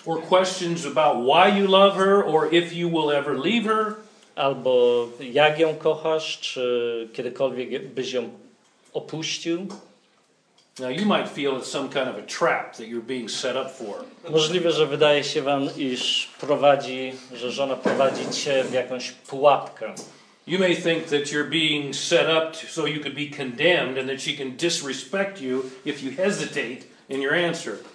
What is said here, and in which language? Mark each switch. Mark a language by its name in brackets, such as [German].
[English] or questions about why you love her or if you will ever leave her, [Polish] albo jak ją kochasz, czy kiedykolwiek byś ją opuścił. [English] Now you might feel it's some kind of a trap that you're being set up for. [Polish] Możliwe, że wydaje się wam, iż prowadzi, że żona prowadzi cię w jakąś pułapkę. [English] You may think that you're being set up so you could be condemned and that she can disrespect you if you hesitate in your answer.